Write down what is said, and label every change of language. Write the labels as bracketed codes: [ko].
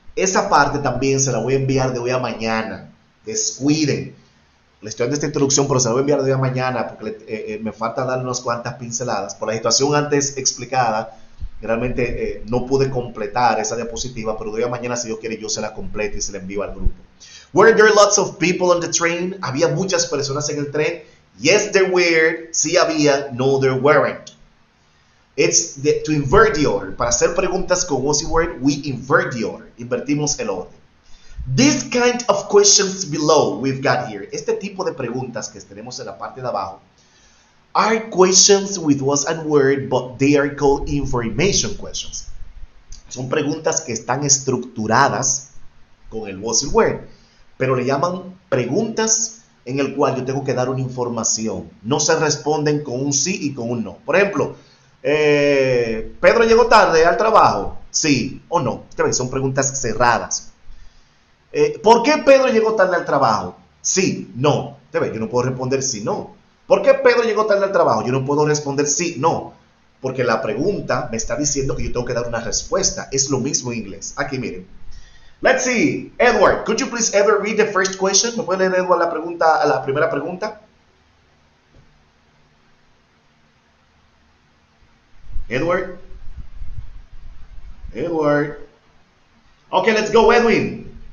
[es] Esa parte también se la voy a enviar de hoy a mañana. Descuiden. Le estoy dando esta introducción, pero se la voy a enviar de hoy a mañana porque me falta dar unas cuantas pinceladas. Por la situación antes explicada, realmente no pude completar esa diapositiva, pero de hoy a mañana, si Dios quiere, yo se la completo y se la envío al grupo. [en] Were there lots of people on the train? [es] ¿Había muchas personas en el tren? [en] Yes, there were. [es] Sí había. [en] No, there weren't. It's to invert the order. [es] Para hacer preguntas con was y weren't, [en] we invert the order. [es] Invertimos el orden. [en] This kind of questions below we've got here. [es] Este tipo de preguntas que tenemos en la parte de abajo [en] are questions with was and were, but they are called information questions. [es] Son preguntas que están estructuradas con el was y were, pero le llaman preguntas en el cual yo tengo que dar una información. No se responden con un sí y con un no. Por ejemplo, ¿Pedro llegó tarde al trabajo? Sí o no. Son preguntas cerradas. ¿Por qué Pedro llegó tarde al trabajo? Sí, no. ¿Te ves? Yo no puedo responder sí, no. ¿Por qué Pedro llegó tarde al trabajo? Yo no puedo responder sí, no. Porque la pregunta me está diciendo que yo tengo que dar una respuesta. Es lo mismo en inglés. Aquí, miren. [en] Let's see. Edward, could you please ever read the first question? [es] ¿Me puede leer, Edward, la primera pregunta? [en] Edward. Okay, let's go, Edwin.